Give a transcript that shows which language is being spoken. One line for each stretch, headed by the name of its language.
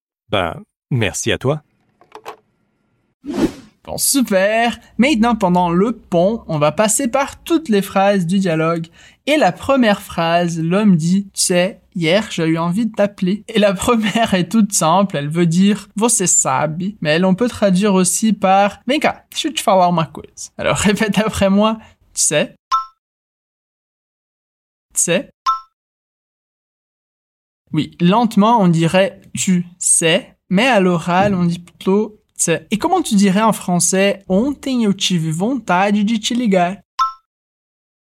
French: Ben, merci à toi. Bon, super. Maintenant, pendant le pont, on va passer par toutes les phrases du dialogue. Et la première phrase, l'homme dit, tu sais, hier, j'ai eu envie de t'appeler. Et la première est toute simple, elle veut dire,
Portuguese: você sabe.
French: Mais elle, on peut traduire aussi par,
Portuguese: vem cá, deixa eu te falar uma coisa.
French: Alors, répète après moi, tu sais. Tu sais. Oui, lentement, on dirait « tu sais », mais à l'oral, on dit plutôt « tu sais ». Et comment tu dirais en français «
Portuguese: ontem eu tive vontade de te ligar » ?